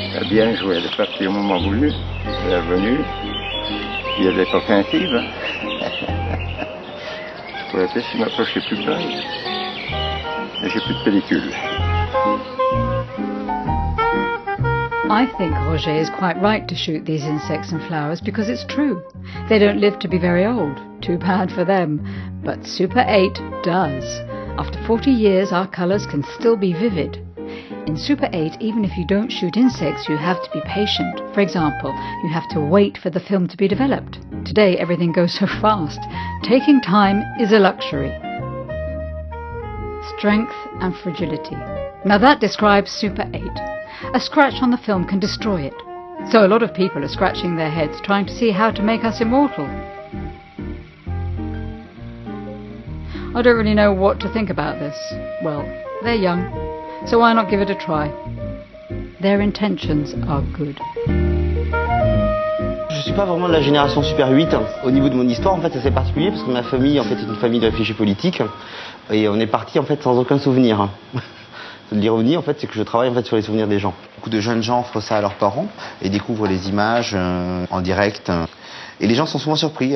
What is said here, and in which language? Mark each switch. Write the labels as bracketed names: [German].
[French] Bien joué, elle est partie au moment voulu, elle est revenue, puis elle est pas craintive. Je pourrais peut-être si m'approcher plus près, mais j'ai plus de pellicule. [English] I think Roger is quite right to shoot these insects and flowers because it's true. They don't live to be very old, too bad for them. But Super 8 does. After 40 years, our colours can still be vivid. In Super 8, even if you don't shoot insects, you have to be patient. For example, you have to wait for the film to be developed. Today, everything goes so fast. Taking time is a luxury. Strength and fragility. Now that describes Super 8. A scratch on the film can destroy it. So a lot of people are scratching their heads trying to see how to make us immortal. I don't really know what to think about this. Well, they're young, so why not give it a try? Their intentions are good. [French] Je suis pas vraiment de la génération Super 8. Au niveau de mon histoire, en fait, c'est particulier parce que ma famille, en fait, est une famille de réfugiés politiques et on est parti en fait sans aucun souvenir. L'ironie, en fait, c'est que je travaille en fait sur les souvenirs des gens. Beaucoup de jeunes gens offrent ça à leurs parents et découvrent les images en direct. Et les gens sont souvent surpris.